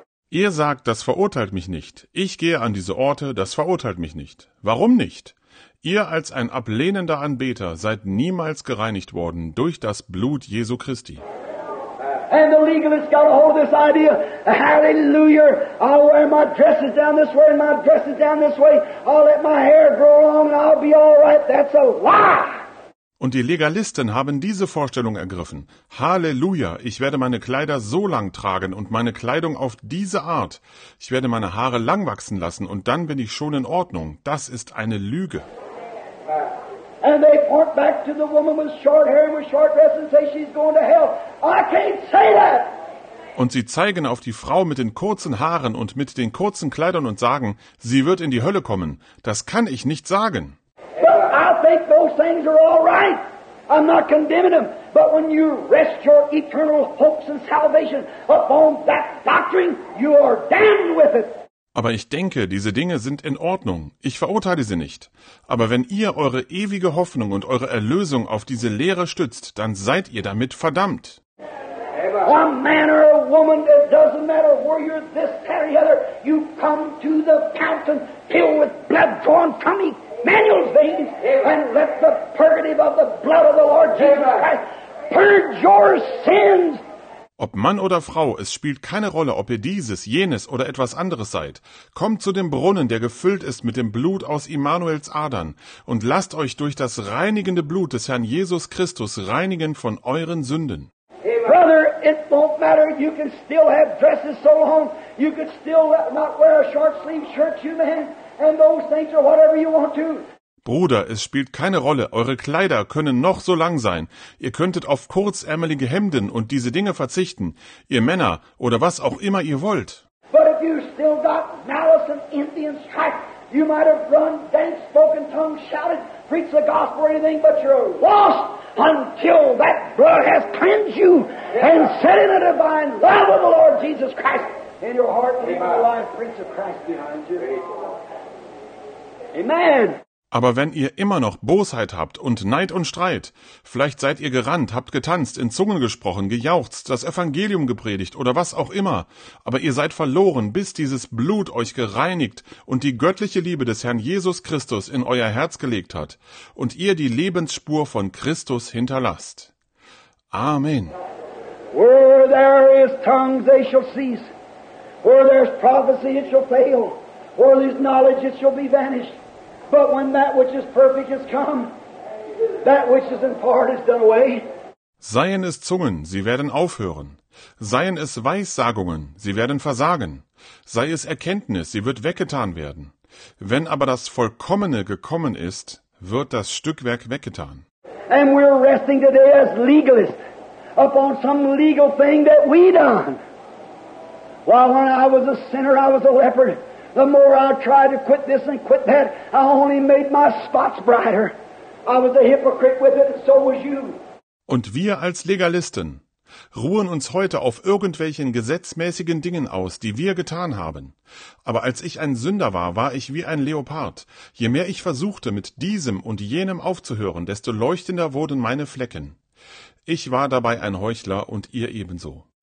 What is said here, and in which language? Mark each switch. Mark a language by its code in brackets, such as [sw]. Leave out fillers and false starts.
[de] Ihr sagt, das verurteilt mich nicht. Ich gehe an diese Orte, das verurteilt mich nicht. Warum nicht? Ihr als ein ablehnender Anbeter seid niemals gereinigt worden durch das Blut Jesu Christi. [en] And the legalist got a hold of this idea. Hallelujah. I'll wear my dresses down this way and my dresses down this way. I'll let my hair grow long and I'll be all right. That's a lie. [de] Und die Legalisten haben diese Vorstellung ergriffen. Halleluja, ich werde meine Kleider so lang tragen und meine Kleidung auf diese Art. Ich werde meine Haare lang wachsen lassen und dann bin ich schon in Ordnung. Das ist eine Lüge. [en] And they point back to the woman with short hair and with short dress and say she's going to hell. I can't say that. [de] Und sie zeigen auf die Frau mit den kurzen Haaren und mit den kurzen Kleidern und sagen, sie wird in die Hölle kommen. Das kann ich nicht sagen. [en] Those things are all right. I'm not condemning them. But when you rest your eternal hopes and salvation upon that doctrine, you are damned with it. [de] Aber ich denke, diese Dinge sind in Ordnung. Ich verurteile sie nicht. Aber wenn ihr eure ewige Hoffnung und eure Erlösung auf diese Lehre stützt, dann seid ihr damit verdammt. [en] A man or a woman, it doesn't matter where you're this, that, or the other, you come to the fountain filled with blood drawn from it. Manuel's veins, and let the purgative of the blood of the Lord Jesus Christ purge your sins. [de] Ob Mann oder Frau, es spielt keine Rolle, ob ihr dieses, jenes oder etwas anderes seid. Kommt zu dem Brunnen, der gefüllt ist mit dem Blut aus Immanuels Adern und lasst euch durch das reinigende Blut des Herrn Jesus Christus reinigen von euren Sünden. [en] Brother, it don't matter. You can still have dresses so long. You could still not wear a short sleeve shirt, you man. And those things are whatever you want to. [de] Bruder, es spielt keine Rolle. Eure Kleider können noch so lang sein. Ihr könntet auf kurzärmelige Hemden und diese Dinge verzichten. Ihr Männer oder was auch immer ihr wollt. [en] But if you still got malice and envy and strife, you might have run, danced, spoken tongues, shouted, preached the gospel or anything, but you're lost until that blood has cleansed you and set in the divine love of the Lord Jesus Christ in your heart and in your life, Prince of Christ behind you. Amen. [de] Aber wenn ihr immer noch Bosheit habt und Neid und Streit, vielleicht seid ihr gerannt, habt getanzt, in Zungen gesprochen, gejauchzt, das Evangelium gepredigt oder was auch immer, aber ihr seid verloren, bis dieses Blut euch gereinigt und die göttliche Liebe des Herrn Jesus Christus in euer Herz gelegt hat und ihr die Lebensspur von Christus hinterlasst. Amen. [en] Where there is tongues, they shall cease. Where there is prophecy, it shall fail. Where there is knowledge, it shall be vanished. But when that which is perfect is come, that which is in part is done away. [de] Seien es Zungen, sie werden aufhören. Seien es Weissagungen, sie werden versagen. Sei es Erkenntnis, sie wird weggetan werden. Wenn aber das Vollkommene gekommen ist, wird das Stückwerk weggetan. [en] And we're resting today as legalists upon some legal thing that we done. While when I was a sinner, I was a leper. The more I tried to quit this and quit that, I only made my spots brighter. I was a hypocrite with it, and so was you. [de] Und wir als Legalisten, ruhen uns heute auf irgendwelchen gesetzmäßigen Dingen aus, die wir getan haben. Aber als ich ein Sünder war, war ich wie ein Leopard. Je mehr ich versuchte, mit diesem und jenem aufzuhören, desto leuchtender wurden meine Flecken. Ich war dabei ein Heuchler und ihr ebenso.